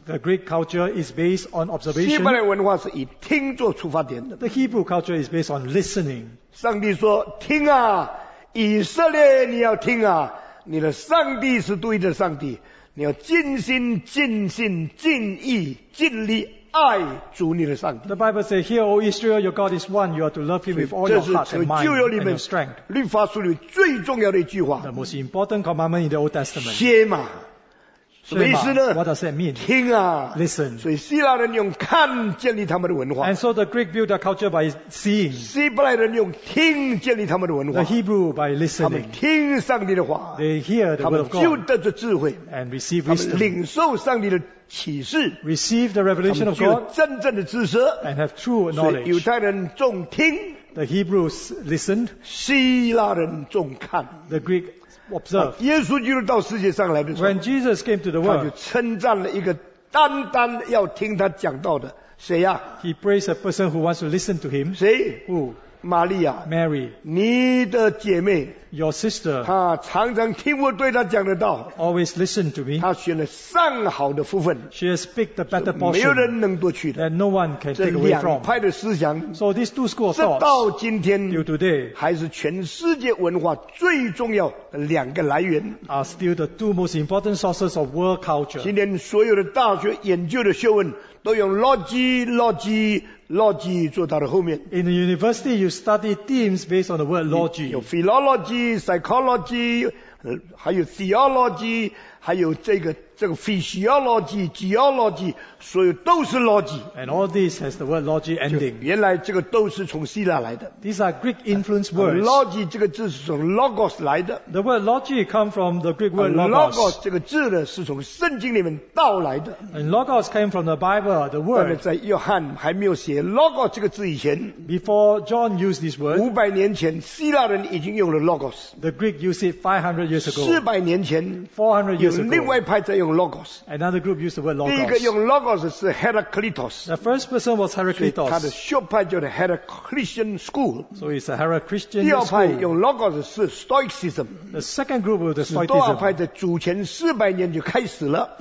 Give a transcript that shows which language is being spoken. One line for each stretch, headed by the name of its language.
English: The Greek culture is based on observation.
Chinese: 希伯来文化是以听作出发点的。
English: The Hebrew culture is based on listening.
Chinese: 上帝说：“听啊，以色列你要听啊，你的上帝是对的上帝，你要尽心尽心尽意尽力爱主你的上帝。
English: The Bible says, Hear, O Israel, your God is one. You are to love him with all your heart and mind and your strength.
Chinese: 律法书里面最重要的一句话。
English: The most important commandment in the Old Testament.
Chinese: 歇嘛。什么意思呢？
English: What does that mean?
Chinese: 听啊。
English: Listen.
Chinese: 所以希腊人用看建立他们的文化。
English: And so the Greek built their culture by seeing.
Chinese: 希伯来人用听建立他们的文化。
English: The Hebrew by listening.
Chinese: 他们听上帝的话。
English: They hear the word of God.
Chinese: 他们就得着智慧。
English: And receive wisdom.
Chinese: 他们领受上帝的启示，
English: receive the revelation of God,
Chinese: 真正的知识，
English: and have true knowledge.
Chinese: 所以犹太人重听，
English: the Hebrews listened,
Chinese: 希腊人重看，
English: the Greek observed.
Chinese: 耶稣基督到世界上来的时候，
English: when Jesus came to the world,
Chinese: 他就称赞了一个单单要听他讲道的，谁呀？
English: He praised a person who wants to listen to him.
Chinese: 谁？
English: Who?
Chinese: 玛利亚，
English: Mary,
Chinese: 你的姐妹，
English: your sister,
Chinese: 她常常听我对她讲的道，
English: always listen to me,
Chinese: 她选了上好的部分，
English: she has picked the better portion,
Chinese: 没有人能夺取的，
English: that no one can take away from.
Chinese: 这两派的思想，
English: so these two school of thoughts,
Chinese: 直到今天，
English: till today,
Chinese: 还是全世界文化最重要的两个来源，
English: are still the two most important sources of world culture.
Chinese: 今天所有的大学研究的学问都用 logy 做到了后面。
English: In the university, you study themes based on the word logy.
Chinese: 有 philology, psychology, 还有 theology, 还有这个 physiology, geology, 所有都是 logy.
English: And all this has the word logy ending.
Chinese: 原来这个都是从希腊来的。
English: These are Greek influenced words.
Chinese: Logy 这个字是从 logos 来的。
English: The word logy come from the Greek word logos.
Chinese: Logos 这个字呢是从圣经里面道来的。
English: And logos came from the Bible, the word.
Chinese: 但是在约翰还没有写 logos 这个字以前，
English: before John used this word,
Chinese: 500年前希腊人已经用了 logos.
English: The Greek used it 500 years ago.
Chinese: 400年前，
English: 400 years ago,
Chinese: 有另外派在用 logos.
English: Another group used the word logos.
Chinese: 第一个用 logos 是 Heraclitus.
English: The first person was Heraclitus.
Chinese: 他的学派叫 Heraclitian school.
English: So it's a Heraclitian
Chinese: school. 第二派用 logos 是 Stoicism.
English: The second group was the Stoicism.
Chinese: 第二派的主前400年就开始了，